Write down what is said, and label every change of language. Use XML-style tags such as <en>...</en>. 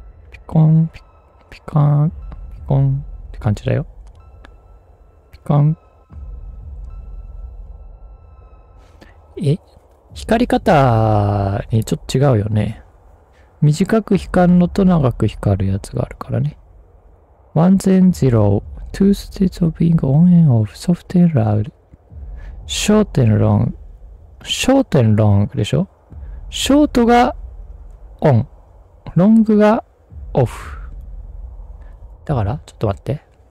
<ja>ピコン、ピカン、ピコンって感じだよ。ピコン。え？光り方にちょっと違うよね。短く光るのと長く光るやつがあるからね。</ja> <en>One then zero, two states of being on and off, soft and loud, short and long.</en> <ja>ショートンロングでしょ？ショートがオン。ロングがオフ。だから、ちょっと待って。</ja>